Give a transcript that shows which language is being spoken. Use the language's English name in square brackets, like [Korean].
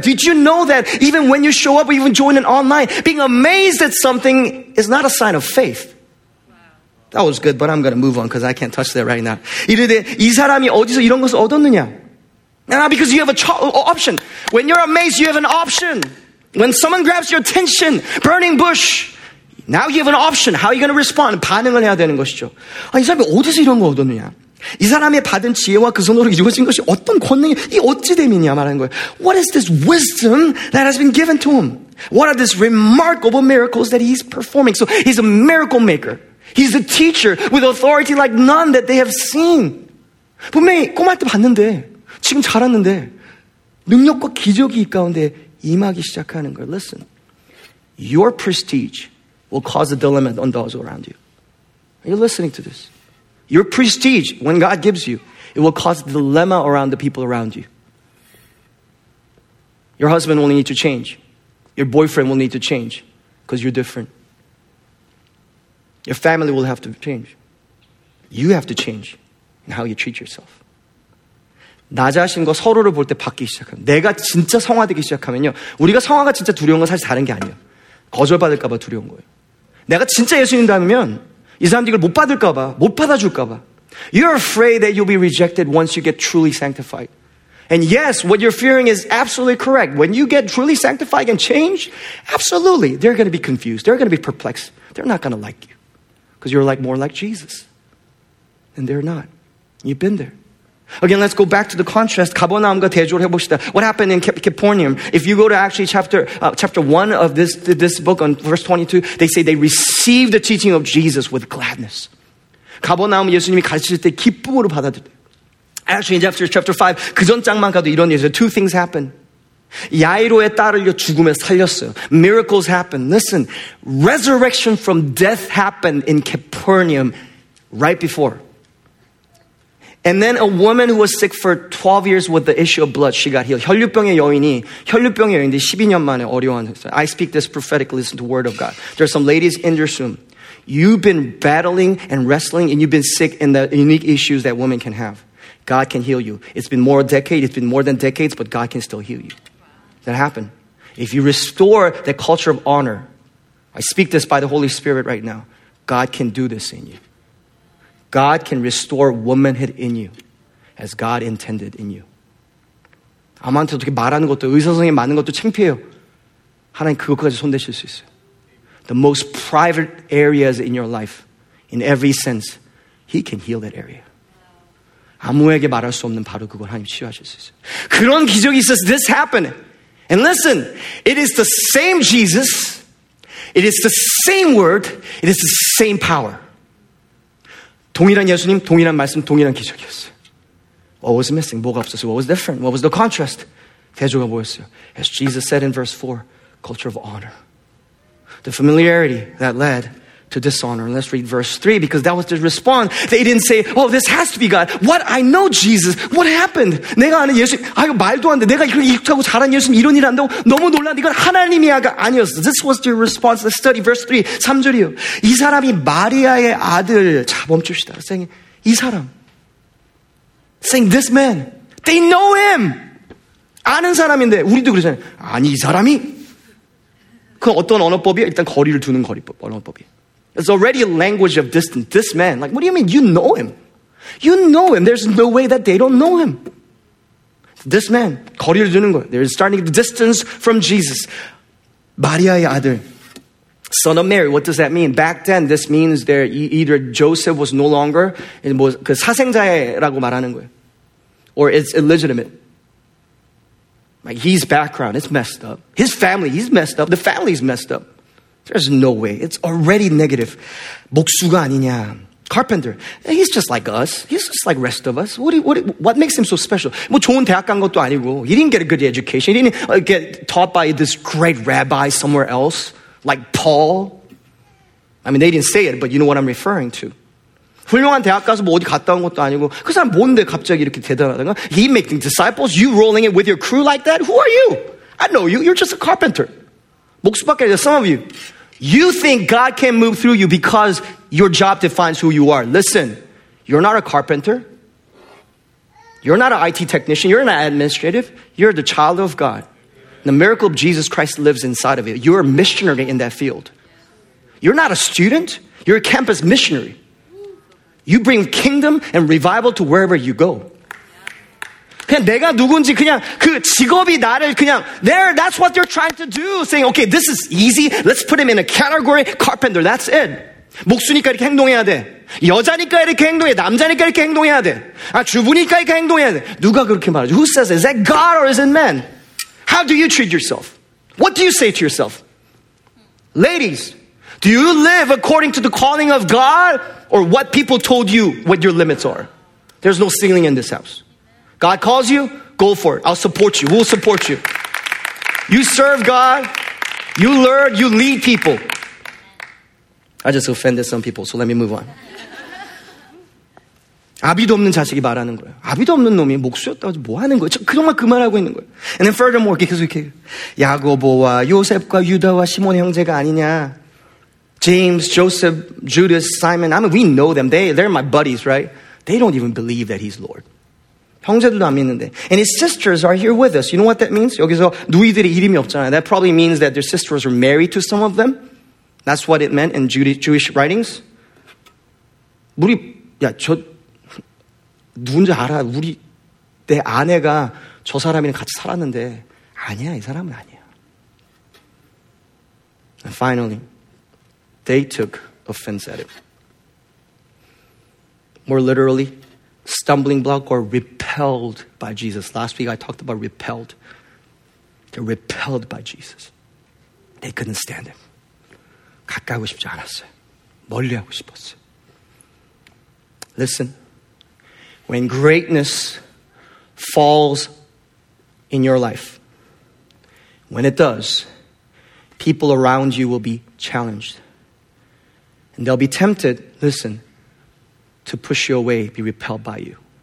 [English] Did you know that even when you show up or even join an online, being amazed at something is not a sign of faith? Wow. That was good, but I'm going to move on because I can't touch that right now. [Korean] 이르되 이 사람이 어디서 이런 것을 얻었느냐? [English] Nah, because you have an option. When you're amazed, you have an option. When someone grabs your attention, burning bush, now you have an option. How are you going to respond? [Korean] 반응을 해야 되는 것이죠. 아, 이 사람이 어디서 이런 걸 얻었느냐? 이 사람의 받은 지혜와 그 손으로 이루어진 것이 어떤 권능이, 이 어찌 됨이냐 말하는 거예요. [English] What is this wisdom that has been given to him? What are these remarkable miracles that he's performing? So he's a miracle maker. He's a teacher with authority like none that they have seen. [Korean] 분명히 꿈할 때 봤는데, 지금 잘 왔는데, 능력과 기적이 이 가운데 임하기 시작하는 거예요. [English] Listen, your prestige will cause a dilemma on those around you. Are you listening to this? Your prestige, when God gives you, it will cause a dilemma around the people around you. Your husband will need to change. Your boyfriend will need to change because you're different. Your family will have to change. You have to change in how you treat yourself. [Korean] 나 자신과 서로를 볼 때 바뀌기 시작하면, 내가 진짜 성화되기 시작하면요, 우리가 성화가 진짜 두려운 건 사실 다른 게 아니에요. 거절받을까 봐 두려운 거예요. 내가 진짜 예수님 닮으면 이 사람들이 이걸 못 받을까 봐, 못 받아줄까 봐. [English] You're afraid that you'll be rejected once you get truly sanctified. And yes, what you're fearing is absolutely correct. When you get truly sanctified and change, absolutely, they're going to be confused. They're going to be perplexed. They're not going to like you. Because you're like more like Jesus. And they're not. You've been there. Again, let's go back to the contrast. [Korean] 가버나움과 대조를 해봅시다. [English] What happened in Capernaum? If you go to actually chapter 1 of this book on verse 22, they say they received the teaching of Jesus with gladness. [Korean] 가버나움 예수님이 가르칠 때 기쁨으로 받아들여. [English] Actually, in chapter 5, 그 전장만 가도 이런 일이 있어요. Two things happen. [Korean] 야이로의 딸을 죽음에 살렸어요. [English] Miracles happen. Listen, resurrection from death happened in Capernaum right before. And then a woman who was sick for 12 years with the issue of blood, she got healed. 혈류병의 여인인데 12년 만에 어려워했어요. I speak this prophetically, listen to the word of God. There are some ladies in your room. You've been battling and wrestling and you've been sick in the unique issues that women can have. God can heal you. It's been more than decades, but God can still heal you. That happened. If you restore that culture of honor, I speak this by the Holy Spirit right now, God can do this in you. God can restore womanhood in you as God intended in you. [Korean] 아무한테 어떻게 말하는 것도 의사 선생님 맞는 것도 창피해요. [English] 하나님 그것까지 손 대실 수 있어요. The most private areas in your life, in every sense, He can heal that area. [Korean] 아무에게 말할 수 없는 바로 그걸 하나님 치유하실 수 있어요. [English] 그런 기적이 있어서 this happened. And listen, it is the same Jesus. It is the same word. It is the same power. [Korean] 동일한 예수님, 동일한 말씀, 동일한 기적이었어요. [English] What was missing? 뭐가 없었어요? What was different? What was the contrast? 대조가 뭐였어요? As Jesus said in verse 4, culture of honor. The familiarity that led to dishonor. And let's read verse 3 because that was the response. They didn't say, oh, this has to be God. [Korean] What? I know Jesus. What happened? 내가 아는 예수님. 아, 이거 말도 안 돼. 내가 이렇게 익숙하고 잘한 예수님 이런 일 한다고 너무 놀란다. 이건 하나님이야가 아니었어. [English] This was their response. Let's study verse 3. 3절이요. [Korean] 이 사람이 마리아의 아들. 자, 멈춥시다. Saying, 이 사람. Saying, this man. They know him. 아는 사람인데. 우리도 그러잖아요. 아니, 이 사람이. 그 어떤 언어법이야? 일단 거리를 두는 거리법, 언어법이야. [English] It's already a language of distance. This man, like, what do you mean? You know him. You know him. There's no way that they don't know him. This man, 거리를 두는 거야. They're starting to distance from Jesus. 마리아의 아들, son of Mary. What does that mean? Back then, this means there either Joseph was no longer, 뭐, 그 사생자라고 말하는 거야. Or it's illegitimate. Like, his background, it's messed up. His family, he's messed up. The family's messed up. There's no way. It's already negative. 목수가 아니냐. Carpenter. He's just like us. He's just like rest of us. What makes him so special? [Korean] 뭐 좋은 대학 간 것도 아니고. [English] He didn't get a good education. He didn't get taught by this great rabbi somewhere else. Like Paul. I mean, they didn't say it, but you know what I'm referring to. [Korean] 훌륭한 대학 가서 뭐 어디 갔다 온 것도 아니고. 그 사람 뭔데 갑자기 이렇게 대단하다가. [English] He making disciples. You rolling it with your crew like that. Who are you? I know you. You're just a carpenter. 목숨밖에 아니라, some of you. You think God can move through you because your job defines who you are. Listen, you're not a carpenter. You're not an IT technician. You're not administrative. You're the child of God. The miracle of Jesus Christ lives inside of you. You're a missionary in that field. You're not a student. You're a campus missionary. You bring kingdom and revival to wherever you go. [Korean] 그냥 내가 누군지 그냥 그 직업이 나를 그냥 there, that's what they're trying to do. [English] Saying, okay, this is easy. Let's put him in a category. Carpenter, that's it. [Korean] 목수니까 이렇게 행동해야 돼. 여자니까 이렇게 행동해야 돼. 남자니까 이렇게 행동해야 돼. 아, 주부니까 이렇게 행동해야 돼. 누가 그렇게 말하지? [English] Who says it? Is that God or is it man? How do you treat yourself? What do you say to yourself? Ladies, do you live according to the calling of God or what people told you what your limits are? There's no ceiling in this house. God calls you, go for it. I'll support you. We'll support you. You serve God. You learn. You lead people. I just offended some people, so let me move on. [Korean] 아비도 없는 자식이 말하는 거야. 아비도 없는 놈이 목수였다고 뭐 하는 거야. 그동안 그 말하고 있는 거야. And then furthermore, 계속 이렇게 야고보와 요셉과 유다와 시몬의 형제가 아니냐. [English] James, Joseph, Judas, Simon. I mean, we know them. They're my buddies, right? They don't even believe that he's Lord. 형제들도 안 믿는데. And his sisters are here with us. You know what that means? [Korean] 여기서 누이들의 이름이 없잖아요. [English] That probably means that their sisters were married to some of them. That's what it meant in Jewish writings. 우리, 야, 저, 누군지 알아? [Korean] 우리, 내 아내가 저 사람이랑 같이 살았는데. 아니야, 이 사람은 아니야. [English] And finally, they took offense at it. More literally, stumbling block or repelled by Jesus. Last week I talked about repelled. They're repelled by Jesus. They couldn't stand him. [Korean] 가까이 하고 싶지 않았어요. 멀리 하고 싶었어요. [English] Listen, when greatness falls in your life, when it does, people around you will be challenged. And they'll be tempted, listen, to push you away, be repelled by you.